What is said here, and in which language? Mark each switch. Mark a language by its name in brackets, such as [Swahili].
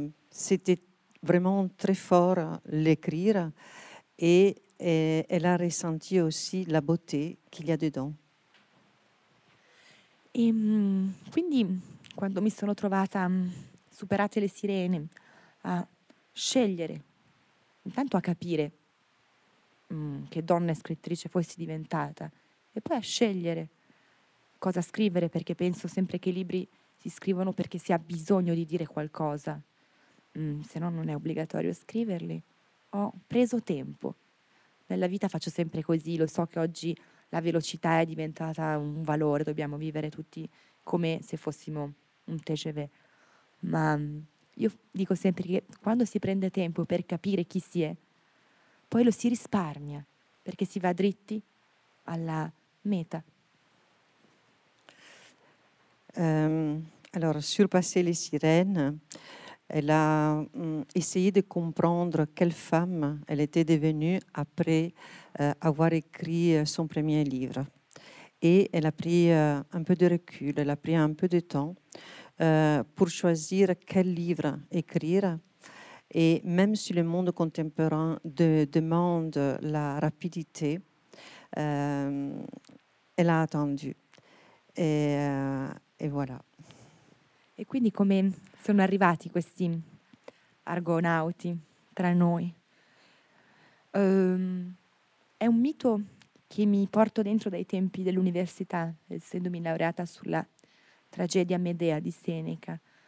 [French] C'était vraiment très fort l'écrire et elle a ressenti aussi la beauté qu'il y a dedans. [Italian] E quindi quando mi sono trovata, superate le sirene, a scegliere, intanto a capire che donna e scrittrice fossi diventata e poi a scegliere cosa scrivere, perché penso sempre che i libri si scrivono perché si ha bisogno di dire qualcosa, se no non è obbligatorio scriverli, ho preso tempo. Nella vita faccio sempre così, lo so che oggi la velocità è diventata un valore, dobbiamo vivere tutti come se fossimo un TGV. Ma io dico sempre che quando si prende tempo per capire chi si è, poi lo si risparmia, perché si va dritti alla meta. [French] Allora, surpassé les sirènes, elle a essayé de comprendre quelle femme elle était devenue après avoir écrit son premier livre. Et elle a pris un peu de recul, elle a pris un peu de temps pour choisir quel livre écrire. Et même si le monde contemporain demande la rapidité, elle a attendu. Et voilà. [Italian] E quindi come sono arrivati questi argonauti tra noi? È un mito che mi porto dentro dai tempi dell'università, essendomi laureata sulla tragedia Medea di Seneca.